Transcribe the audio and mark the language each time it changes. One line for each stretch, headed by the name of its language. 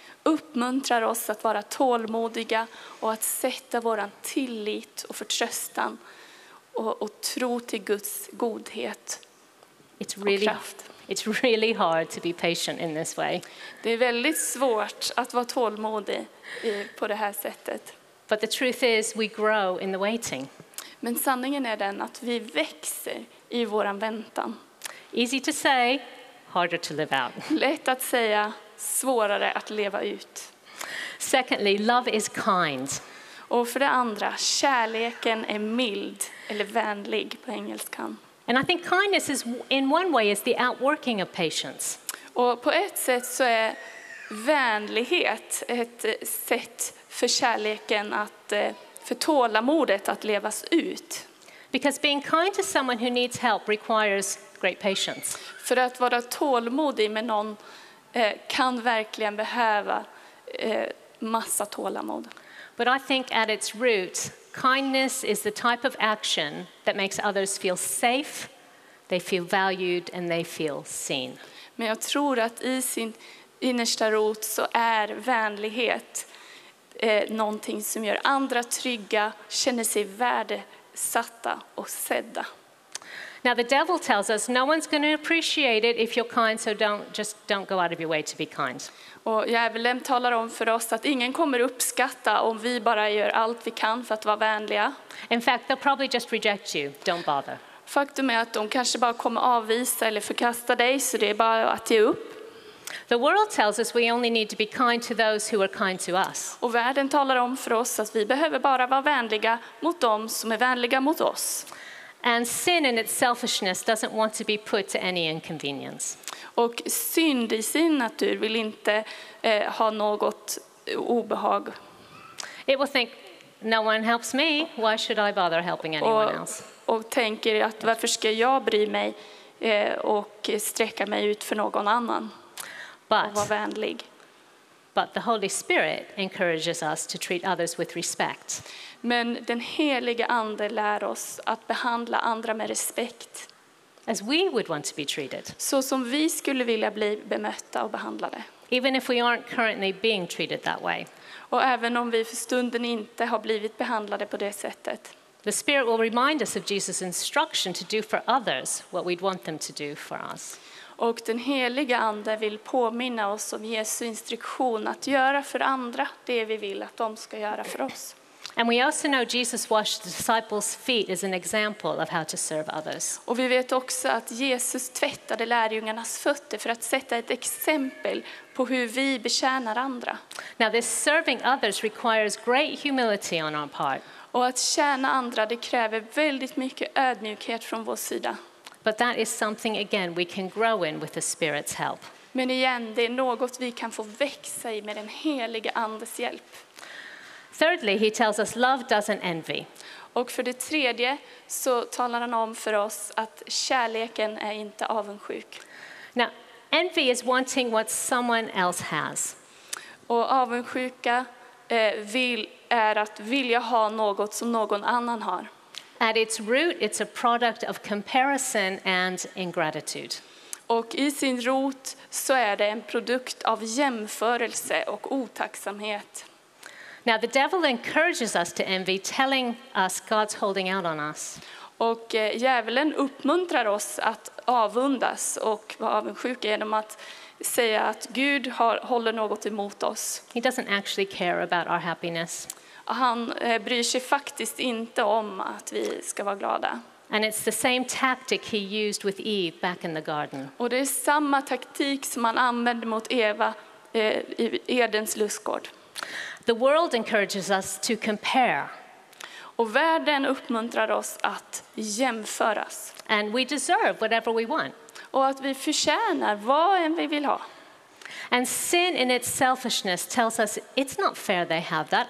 Swedish: Uppmuntrar oss att vara tålmodiga och att sätta våran tillit och förtröstan och tro till Guds godhet.
English: It's really hard to be patient in this way.
Swedish: Det är väldigt svårt att vara tålmodig på det här sättet.
English: But the truth is we grow in the waiting.
Swedish: Men sanningen är den att vi växer I våran väntan.
English: Easy to say, harder to live out.
Swedish: Lätt att säga, svårare att leva ut.
English: Secondly, love is kind.
Swedish: Och för det andra, kärleken är mild eller vänlig på engelskan.
English: And I think kindness is in one way is the outworking of patience.
Swedish: Och på ett sätt så är vänlighet ett sätt för kärleken att för tålamodet att levas ut.
English: Because being kind to someone who needs help requires great patience.
Swedish: För att vara tålmodig med någon kan verkligen behöva massa tålamod.
English: But I think at its root, kindness is the type of action that makes others feel safe, they feel valued, and they feel seen.
Swedish: Men jag tror att I sin innersta rot så är vänlighet någonting som gör andra trygga, känner sig värdesatta och sedda.
English: Now the devil tells us no one's going to appreciate it if you're kind, so don't go out of your way to be kind.
Swedish: Och djävulen talar om för oss att ingen kommer uppskatta om vi bara gör allt vi kan för att vara vänliga.
English: In fact, they'll probably just reject you. Don't bother.
Swedish: Faktum är att de kanske bara kommer avvisa eller förkasta dig, så det är bara att ge upp.
English: The world tells us we only need to be kind to those who are kind to us.
Swedish: Och världen talar om för oss att vi behöver bara vara vänliga mot dem som är vänliga mot oss.
English: And sin in its selfishness doesn't want to be put to any inconvenience.
Swedish: Och synd I sin natur vill inte ha något obehag.
English: It will think, no one helps me, why should I bother helping anyone else?
Swedish: Och tänker att varför ska jag bry mig och sträcka mig ut för någon annan?
English: But,
Swedish: och vara vänlig.
English: But the Holy Spirit encourages us to treat others with respect.
Swedish: Men den heliga ande lär oss att behandla andra med respekt.
English: As we would want to be treated.
Swedish: Så som vi skulle vilja bli bemötta och behandlade.
English: Even if we aren't currently being treated that way.
Swedish: Och även om vi för stunden inte har blivit behandlade på det sättet.
English: The Spirit will remind us of Jesus' instruction to do for others what we'd want them to do for us.
Swedish: Och den heliga ande vill påminna oss om Jesu instruktion att göra för andra det vi vill att de ska göra för oss.
English: And we also know Jesus washed the disciples' feet as an example of how to serve others.
Swedish: Och vi vet också att Jesus tvättade lärjungarnas fötter för att sätta ett exempel på hur vi betjänar andra.
English: Now this serving others requires great humility on our part.
Swedish: Och att tjäna andra, det kräver väldigt mycket ödmjukhet från vår sida.
English: But that is something again we can grow in with the Spirit's help.
Swedish: Men igen, det är något vi kan få växa i med den helige andes hjälp.
English: Thirdly, he tells us love doesn't envy.
Swedish: Och för det tredje så talar han om för oss att kärleken är inte avundsjuk.
English: Now, envy is wanting what someone else has.
Swedish: Och avundsjuka är att vilja ha något som någon annan har.
English: At its root, it's a product of comparison and ingratitude.
Swedish: Och i sin rot så är det en produkt av jämförelse och otacksamhet.
English: Now the devil encourages us to envy, telling us God's holding out on us.
Swedish: Och djävulen uppmuntrar oss att avundas och vara avundsjuk genom att säga att Gud håller något emot oss.
English: He doesn't actually care about our happiness.
Swedish: Han bryr sig faktiskt inte om att vi ska vara glada.
English: And it's the same tactic he used with Eve back in the garden.
Swedish: Och det är samma taktik som han använde mot Eva i Edens lustgård.
English: The world encourages us to compare.
Swedish: Och världen uppmuntrar oss att jämföras.
English: And we deserve whatever we want.
Swedish: Och att vi förtjänar vad än vi vill ha.
English: And sin in its selfishness tells us it's not fair they have that.